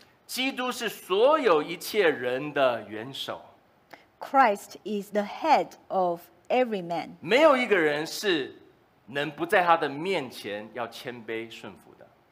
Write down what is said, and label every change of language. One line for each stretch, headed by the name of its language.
Chinese: 基督是所有一切人的元首
English: Christ is the head of every man.
Chinese: 没有一个人是能不在他的面前要谦卑顺服的